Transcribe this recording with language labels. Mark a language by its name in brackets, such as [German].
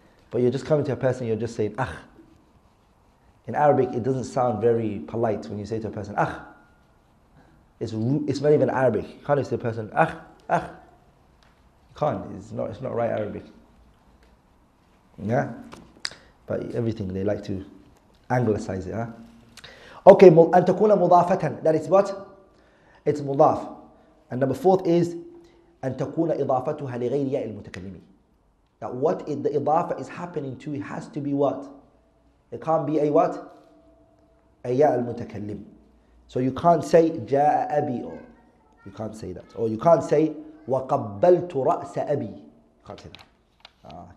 [English] But you're just coming to a person, you're just saying akh. In Arabic, it doesn't sound very polite when you say to a person akh. It's not even Arabic. You can't just say to a person akh, akh. You can't. It's not right Arabic. Yeah, but everything they like to anglicize it, huh? Okay, [Arabic] أن تكون مضافة. [English] That is what? It's مضاف. And number fourth is [Arabic] أن تكون إضافتها لغير ياء المتكلم. [English] That what if the إضافة is happening to, it has to be what? It can't be a what? A ياء المتكلم. So you can't say [Arabic] جاء أبي, [English] or you can't say that. Or you can't say [Arabic] وقبلت رأس أبي. [English] Can't say that.